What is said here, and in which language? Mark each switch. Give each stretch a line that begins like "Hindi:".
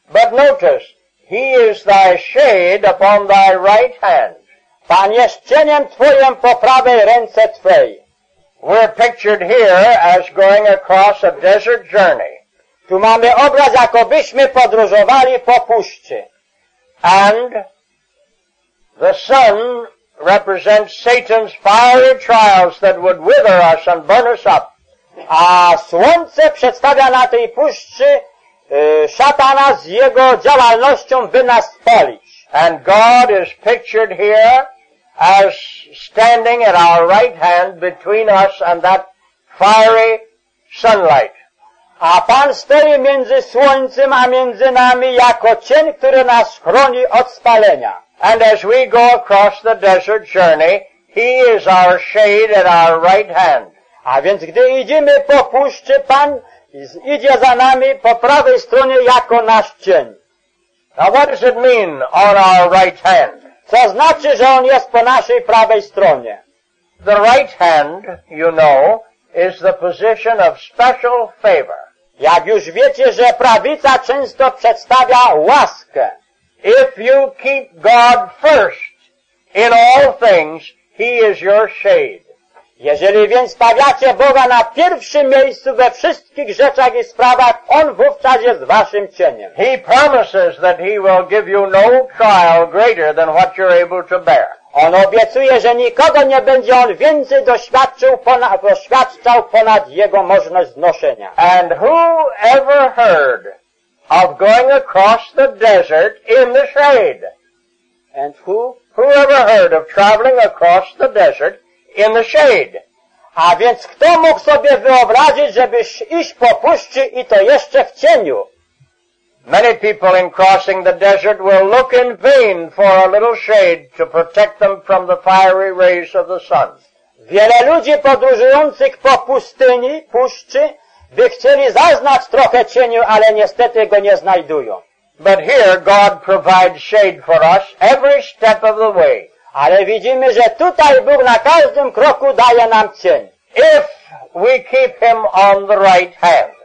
English: But notice, he is thy shade upon thy right hand.
Polish: Pan jest cieniem twoim po prawej ręce twej.
English: We're pictured here as going across a desert journey.
Polish: Tu mamy obraz, jakobyśmy podróżowali po puszczy.
English: And the sun represents Satan's fiery trials that would wither us and burn us up.
Polish: A słońce przedstawia na tej puszczy szatana z jego działalnością, by nas spalić.
English: And God is pictured here as standing at our right hand between us and that fiery sunlight.
Polish: A Pan stoi między słońcem a między nami jako cień, który nas chroni od spalenia.
English: And as we go across the desert journey, he is our shade at our right hand.
Polish: A więc gdy idziemy po puszczy, Pan idzie za nami po prawej stronie jako nasz cień.
English: Now what does it mean, on our right hand?
Polish: Co znaczy, że on jest po naszej prawej stronie?
English: The right hand, you know, is the position of special favor.
Polish: Jak już wiecie, że prawica często przedstawia łaskę.
English: If you keep God first in all things, he is your shade.
Polish: Jeżeli więc stawiacie Boga na pierwszym miejscu we wszystkich rzeczach i sprawach, on wówczas jest waszym cieniem.
English: He promises that he will give you no trial greater than what you're able to bear.
Polish: On obiecuje, że nikogo nie będzie on więcej doświadczał ponad jego możność znoszenia.
English: And who ever heard of going across the desert in the shade? And who? Who ever heard of traveling across the desert in the shade?
Polish: A więc kto mógł sobie wyobrazić, żeby iść po puszczy i to jeszcze w cieniu?
English: Many people in crossing the desert will look in vain for a little shade to protect them from the fiery rays of the sun.
Polish: Wiele ludzi podróżujących po pustyni, puszczy, by chcieli zaznać trochę cieniu, ale niestety go nie znajdują.
English: But here God provides shade for us every step of the way.
Polish: Ale widzimy, że tutaj Bóg na każdym kroku daje nam cień.
English: If we keep him on the right hand.